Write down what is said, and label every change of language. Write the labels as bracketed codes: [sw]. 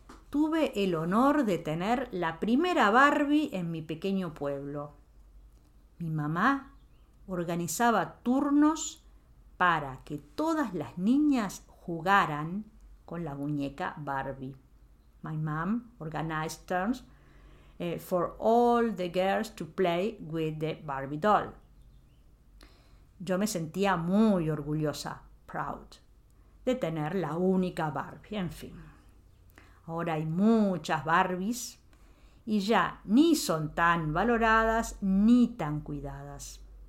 [es] Tuve el honor de tener la primera Barbie en mi pequeño pueblo. Mi mamá organizaba turnos para que todas las niñas jugaran con la muñeca Barbie. [en] My mom organized turns for all the girls to play with the Barbie doll. [es] Yo me sentía muy orgullosa, proud, de tener la única Barbie. En fin, ahora hay muchas Barbies y ya ni son tan valoradas ni tan cuidadas.